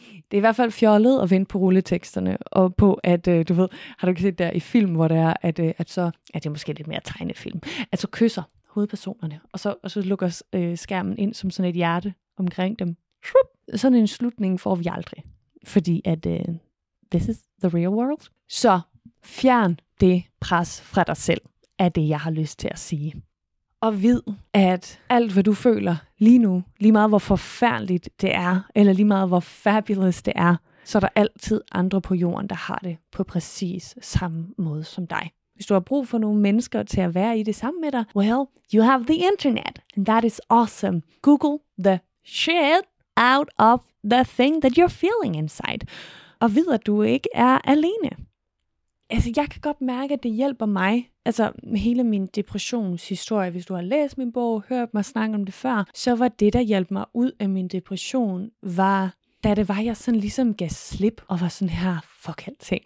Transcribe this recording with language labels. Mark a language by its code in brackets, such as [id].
[da] Det er i hvert fald fjollet at vente på rulleteksterne, og på at, du ved, har du ikke set der i film, hvor det er, at så, ja, det er måske lidt mere tegnet film, at så kysser hovedpersonerne, og så lukker skærmen ind som sådan et hjerte omkring dem. Shup! Sådan en slutning får vi aldrig. Fordi at [en] this is the real world. [da] Så fjern det pres fra dig selv, er det, jeg har lyst til at sige. Og vid, at alt, hvad du føler lige nu, lige meget hvor forfærdeligt det er, eller lige meget hvor fabulous det er, så er der altid andre på jorden, der har det på præcis samme måde som dig. Hvis du har brug for nogle mennesker til at være i det samme med dig, [en] well, you have the internet, and that is awesome. Google the shit out of the thing that you're feeling inside. [da] Og ved, at du ikke er alene. Altså, jeg kan godt mærke, at det hjælper mig. Altså, hele min depressionshistorie, hvis du har læst min bog, hørt mig snakke om det før, så var det, der hjalp mig ud af min depression, var, da det var, jeg sådan ligesom gav slip, og var sådan her, fuck alting.